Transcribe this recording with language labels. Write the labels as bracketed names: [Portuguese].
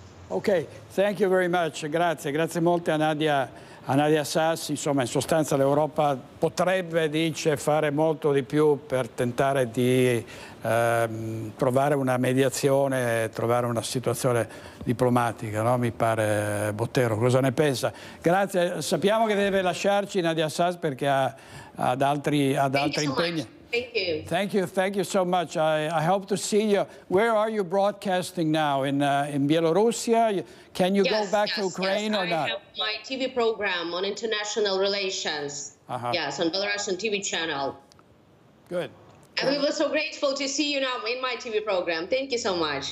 [English] Okay, thank you very much. [Italian] Grazie molto a Nadia a Nadia Sassi, insomma, in sostanza l'Europa potrebbe, dice, fare molto di più per tentare di trovare una mediazione, trovare una situazione diplomatica, no? Mi pare, Bottero, cosa ne pensa? Grazie, sappiamo che deve lasciarci Nadia Sassi perché ha ad altri impegni. [English] Thank you so much. I hope to see you. Where are you broadcasting now? In Bielorussia? Can you go back to Ukraine or not? I have my TV program on international relations. Uh-huh. Yes, on Belarusian TV channel. Good. And we were so grateful to see you now in my TV program. Thank you so much.